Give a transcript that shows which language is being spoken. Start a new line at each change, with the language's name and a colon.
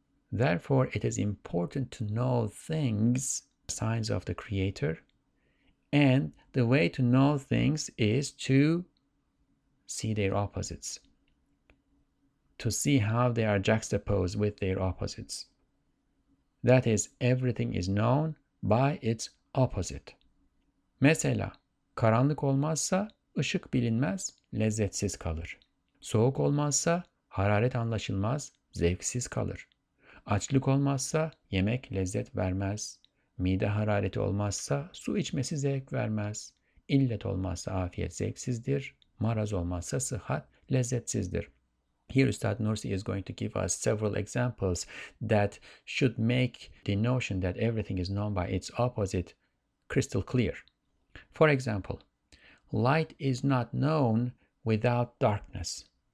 English: Therefore, it is important to know things, signs of the Creator, and the way to know things is to see their opposites, to see how they are juxtaposed with their opposites. That is, everything is known by its opposite.
Turkish: Mesela, karanlık olmazsa ışık bilinmez, lezzetsiz kalır. Soğuk olmazsa hararet anlaşılmaz, zevksiz kalır. Açlık olmazsa yemek lezzet vermez. Mide harareti olmazsa su içmesi zevk vermez. İllet olmazsa afiyet zevksizdir. Maraz olmazsa sıhhat lezzetsizdir.
English: Here Üstad Nursi is going to give us several examples that should make the notion that everything is known by its opposite crystal clear. For example, light is not known without darkness.